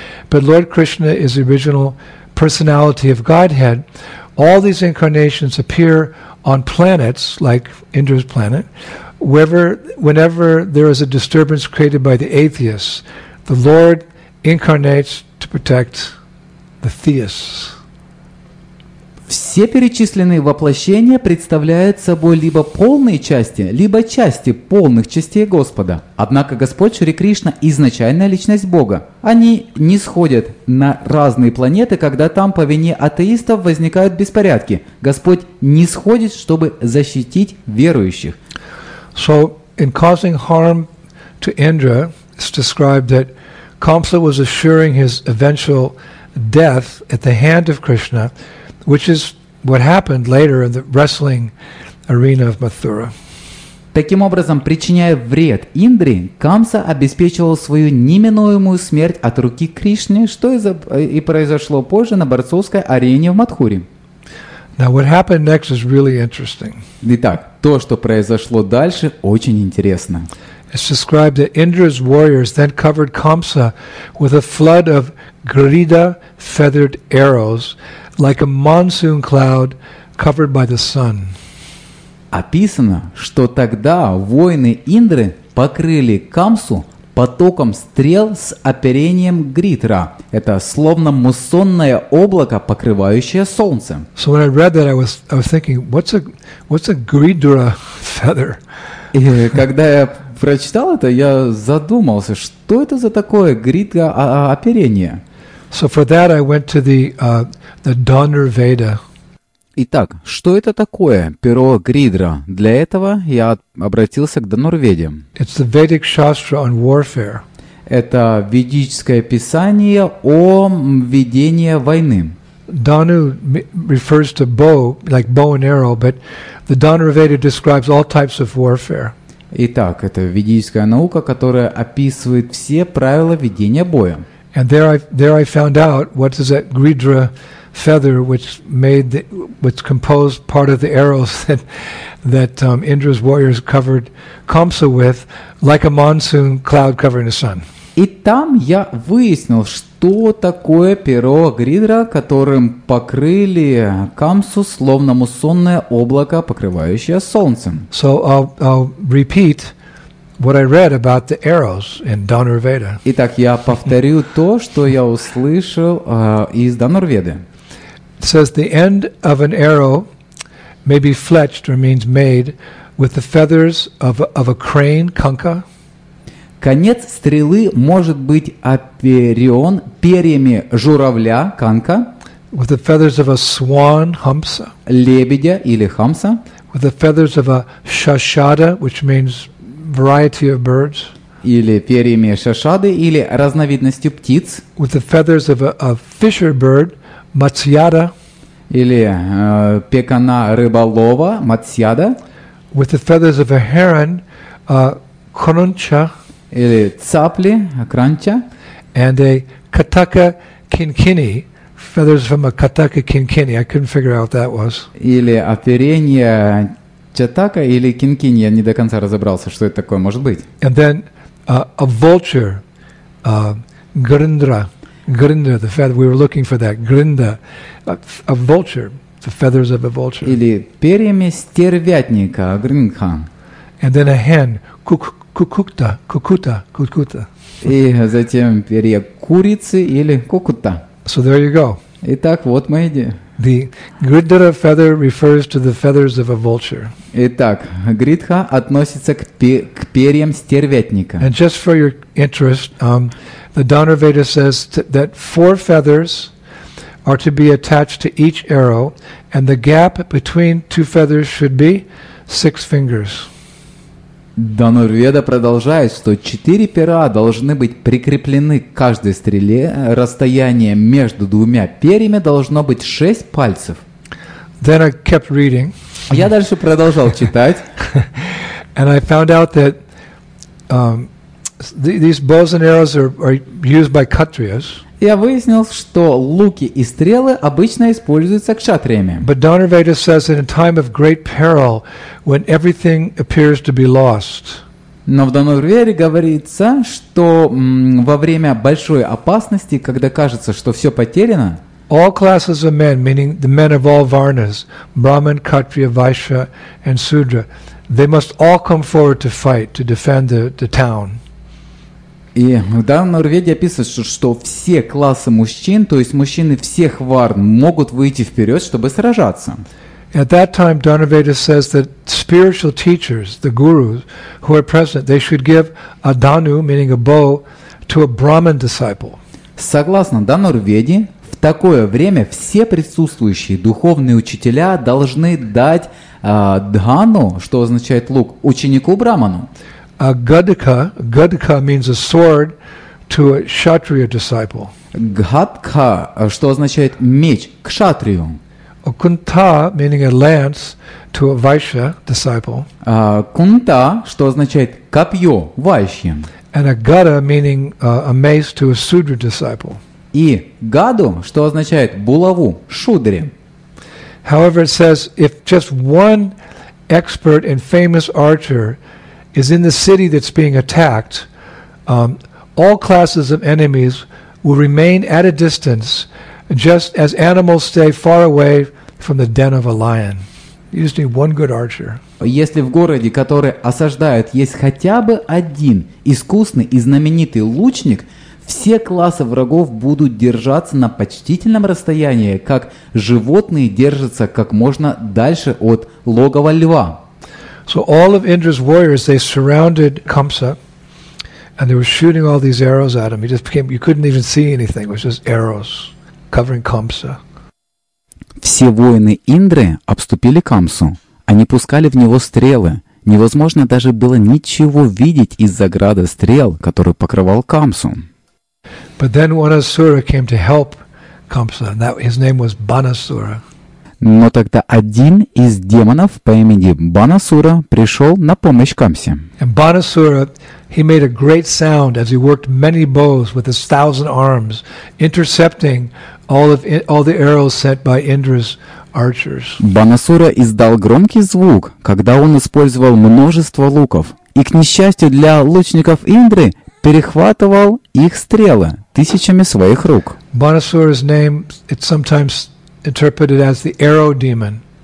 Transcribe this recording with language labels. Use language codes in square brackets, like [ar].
[en] But Lord Krishna is the original personality of Godhead. All these incarnations appear on planets, like Indra's planet, whenever there is a disturbance created by the atheists, the Lord incarnates to protect the theists. [ru] Все перечисленные воплощения представляют собой либо полные части, либо части полных частей Господа. Однако Господь Шри Кришна – изначальная личность Бога. Они нисходят на разные планеты, когда там по вине атеистов возникают беспорядки. Господь нисходит, чтобы защитить верующих. [en] So, in causing harm to Indra, it's described that Kamsa was assuring his eventual death at the hand of Krishna, which is what happened later in the wrestling arena of Mathura. [ru] Таким образом, причиняя вред Индре, Камса обеспечивал свою неминуемую смерть от руки Кришны, что и произошло позже на борцовской арене в Матхуре. [en] Now what happened next is really interesting. [ru] Итак, то, что произошло дальше, очень интересно. [en] It's described that Indra's warriors then covered Kamsa with a flood of grida feathered arrows, like a monsoon cloud covered by the sun. [ru] Описано, что тогда воины Индры покрыли Камсу потоком стрел с оперением гритра. Это словно муссонное облако, покрывающее солнце. [en] So when I read that, I was thinking, what's a gridra feather? [ru] И когда я прочитал это, я задумался, что это за такое гритра оперение? [en] So for that I went to the Donner Veda. [ru] Итак, что это такое, перо Гридра? Для этого я обратился к Донорведе. [en] It's the Vedic Shastra on warfare. [ru] Это ведическое писание о ведении войны. [en] Donu refers to bow, like bow and arrow, but the Donner Veda describes all types of warfare. [ru] Итак, это ведическая наука, которая описывает все правила ведения боя. [en] And there I found out what is that gridra feather which composed part of the arrows that Indra's warriors covered Kamsa with, like a monsoon cloud covering the sun. [ru] И там я выяснил, что такое перо гридра, которым покрыли Камсу, словно муссонное облако, покрывающее солнцем. [en] So I'll repeat what I read about the arrows in Dhanurveda. [ru] Итак, я повторю то, что я услышал из Дханурведы. [en] It says the end of an arrow may be fletched, or means made, with the feathers of a crane, kanka. [ru] Конец стрелы может быть оперён перьями журавля, kanka. [en] With the feathers of a swan, hamsa. [ru] Лебедя или хамса. [en] With the feathers of a shashada, which means variety of birds, [ru] или перьями шашады, или разновидностью птиц, [en] with the feathers of a fisher bird, matsyada, [ru] или пекана рыболова, matsyada, [en] with the feathers of a heron, kruncha, [ru] или цапли, кранча, [en] and a kataka kinkini, feathers from a kataka kinkini. I couldn't figure out what that was. [ru] Или оперение чатака или кинкини. Я не до конца разобрался, что это такое может быть. [en] And then a vulture, grindra. Grinda, the feather, we were looking for that. Grinda, a vulture, the feathers of a vulture. [ru] Или перьями стервятника, гринха. [en] And then a hen, кукута. [ru] И затем перья курицы или кукута. [en] So there you go. [ru] Итак, вот мы идем. [en] The Gridhara feather refers to the feathers of a vulture. [ru] Итак, гридха относится к перьям стервятника. [en] And just for your interest, the Dhanurveda says that four feathers are to be attached to each arrow, and the gap between two feathers should be six fingers. [ru] Дхануведа продолжает, что четыре пера должны быть прикреплены к каждой стреле, расстояние между двумя перьями должно быть шесть пальцев. [en] Then I kept reading. [ru] Я дальше продолжал читать. [en] And I found out that these bows and arrows are used by kshatriyas. [ru] Я выяснил, что луки и стрелы обычно используются кшатриями. [en] But Dhanurveda says in a time of great peril, when everything appears to be lost. [ru] Но в Дхануведе говорится, что во время большой опасности, когда кажется, что все потеряно, [en] all classes of men, meaning the men of all varnas, Brahman, Kshatriya, Vaishya, and Sudra, they must all come forward to fight, to defend the town. [ru] И в Дхануведе описывается, что все классы мужчин, то есть мужчины всех варн, могут выйти вперед, чтобы сражаться. [en] At that time, Dhanurveda says that spiritual teachers, the gurus, who are present, they should give a dhanu, meaning a bow, to a Brahman disciple. [ru] Согласно Дхануведе, в такое время все присутствующие духовные учителя должны дать дхану, что означает лук, ученику Браману. [en] A gadaka, gadaka means a sword to a kshatriya disciple. [ru] Гадка, что означает меч, кшатрию. [en] A kunta, meaning a lance, to a vaishya disciple. [ru] Кунта, что означает копье, вайшья. [en] And a gada, meaning a mace, to a sudra disciple. [ru] И гаду, что означает булаву, шудре. [en] However, it says, if just one expert and famous archer is in the city that's being attacked, all classes of enemies will remain at a distance, just as animals stay far away from the den of a lion. You just need one good archer. [ru] Если в городе, который осаждают, есть хотя бы один искусный и знаменитый лучник, все классы врагов будут держаться на почтительном расстоянии, как животные держатся как можно дальше от логова льва. [en] So all of Indra's warriors, they surrounded Kamsa, and they were shooting all these arrows at him. You couldn't even see anything. It was just arrows covering Kamsa. [ru] Все воины Индры обступили Камсу. Они пускали в него стрелы. Невозможно даже было ничего видеть из-за града стрел, который покрывал Камсу. [en] But then one Asura came to help Kamsa. His name was Banasura. [ru] Но тогда один из демонов по имени Банасура пришел на помощь Камсе. [en] And Banasura, he made a great sound as he worked many bows with his thousand arms, intercepting all the arrows sent by Indra's archers. [ru] Банасура издал громкий звук, когда он использовал множество луков, и, к несчастью для лучников Индры, перехватывал их стрелы тысячами своих рук. [en] Banasura's name, it sometimes interpreted as the arrow demon.